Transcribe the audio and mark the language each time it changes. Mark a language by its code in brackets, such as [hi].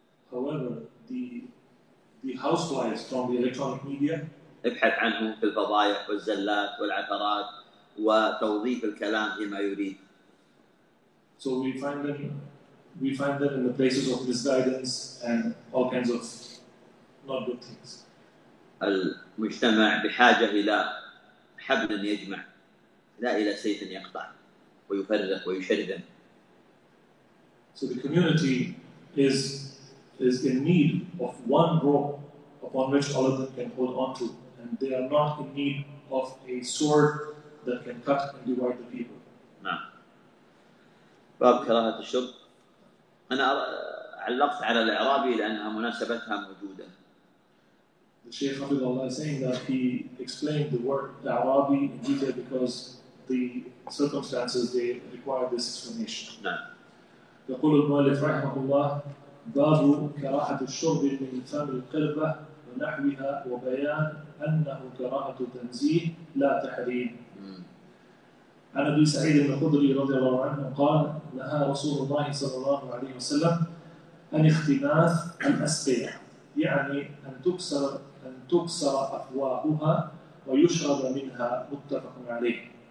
[en] However, the houseflies from the electronic media, [ar] ابحث عنهم في الفضائح والزلات والعثرات وتوظيف الكلام فيما يريد. [en] So we find them in the places of misguidance and all kinds of not good things. [ar] المجتمع بحاجة إلى حبل يجمع، لا إلى سيف يقطع ويفرق ويشرذم. [en] So the community is in need of one rope upon which all of them can hold on to, and they are not in need of a sword that can cut and divide the people. [ar] نعم. باب كراهة الشرب. أنا علقت على الإعرابي لأنها مناسبتها موجودة. [en] The Shaykh Hafidhullah is saying that he explained the word Arabi in detail because the circumstances they require this explanation. [ar] نعم. يقول المؤلف رحمه الله: باب كراهة الشرب من لسان القربة ونحوها وبيان أنه كراهة تنزيه لا تحريم. عن أبي سعيد الخدري رضي الله عنه قال: نهى رسول الله صلى الله عليه وسلم عن اختناث الأسقية، يعني أن تكسر أفواهها ويشرب منها، متفق عليه.